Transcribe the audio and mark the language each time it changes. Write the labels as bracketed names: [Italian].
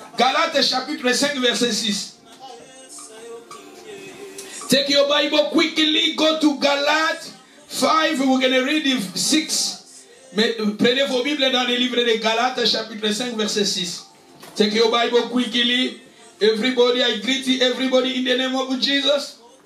[French] Galates chapitre 5, verset 6. [English] Take your Bible quickly, go to Galates 5, we're going to read 6. [French] Mais prenez vos Bibles dans les livres de Galates chapitre 5, verset 6. [English] Take your Bible quickly. Everybody, I greet you, everybody in the name of Jesus.